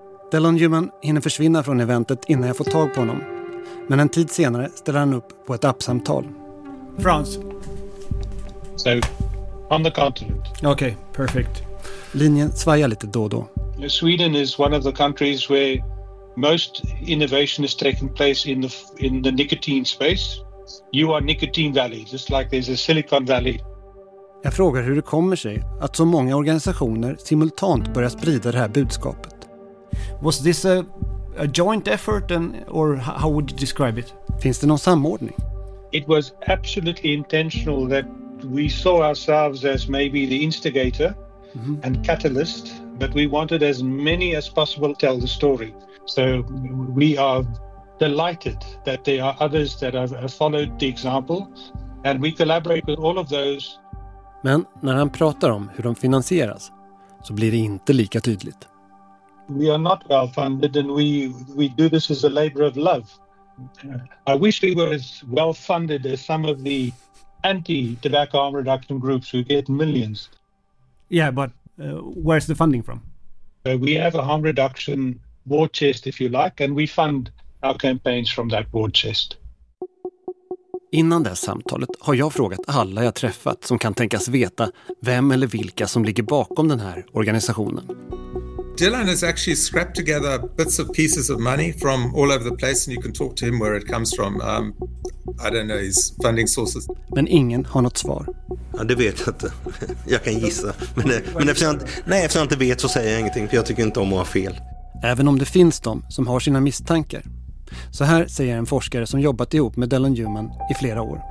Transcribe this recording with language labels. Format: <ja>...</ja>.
<sv>Dallon Newman hinner försvinna från eventet innan jag får tag på honom. Men en tid senare ställer han upp på ett appsamtal.</sv> <en>France. So, on the continent. Okay, perfect.</en> <sv>Linjen svajar lite då och då.</sv> <en>Sweden is one of the countries where most innovation is taking place in the nicotine space. You are Nicotine Valley, just like there's a Silicon Valley.</en> <sv>Jag frågar hur det kommer sig att så många organisationer simultant börjar sprida det här budskapet.</sv> <en>Was this a joint effort or how would you describe it?</en> <sv>Finns det någon samordning?</sv> <en>It was absolutely intentional that we saw ourselves as maybe the instigator and catalyst, but we wanted as many as possible to tell the story. So we are delighted that there are others that have followed the example and we collaborate with all of those.</en> <sv>Men när han pratar om hur de finansieras så blir det inte lika tydligt.</sv> <en>We are not well funded and we do this as a labor of love. I wish we were as well funded as some of the anti-tobacco harm reduction groups who get millions. Yeah, but where's the funding from? We have a harm reduction war chest, if you like, and we fund our campaigns from that war chest.</en> <sv>Innan det samtalet har jag frågat alla jag träffat som kan tänkas veta vem eller vilka som ligger bakom den här organisationen.</sv> <en>Dylan has actually scrapped together bits of pieces of money from all over the place and you can talk to him where it comes from. I don't know his funding sources.</en> <sv>Men ingen har något svar. Ja, det vet jag inte. Jag kan gissa. Men eftersom jag inte vet så säger jag ingenting för jag tycker inte om att ha fel. Även om det finns de som har sina misstankar. Så här säger en forskare som jobbat ihop med Dallon Newman i flera år.</sv>